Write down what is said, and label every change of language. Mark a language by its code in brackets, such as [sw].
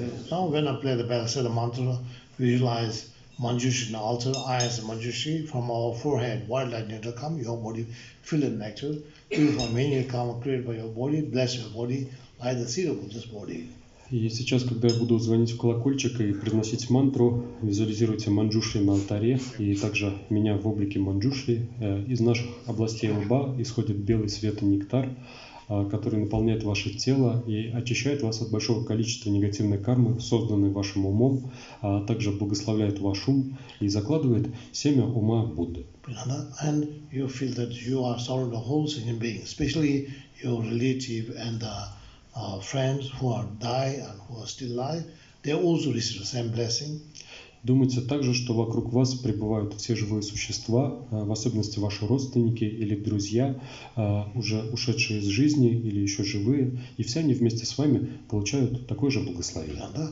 [en] Now when I play the bell, say the mantra, visualize Manjushri in the altar, eyes of Manjushri, from our forehead, white lightning to come, your body, fill it nectar, fill from me, you come, created by your body, bless your body, light the seed of this body. [ru] И сейчас, когда я буду звонить в колокольчик и произносить мантру, визуализируйте Манджушри на алтаре и также меня в облике Манджушри, из наших областей лба исходит белый свет и нектар, который наполняет ваше тело и очищает вас от большого количества негативной кармы, созданной вашим умом, а также благословляет ваш ум и закладывает семя ума Будды. [en] And you feel that you are surrounded by whole sentient beings, especially your relative and friends who are dying and who are still alive, they also receive the same blessing. [ru] Думайте также, что вокруг вас пребывают все живые существа, в особенности ваши родственники или друзья, уже ушедшие из жизни или еще живые, и все они вместе с вами получают такое же благословение.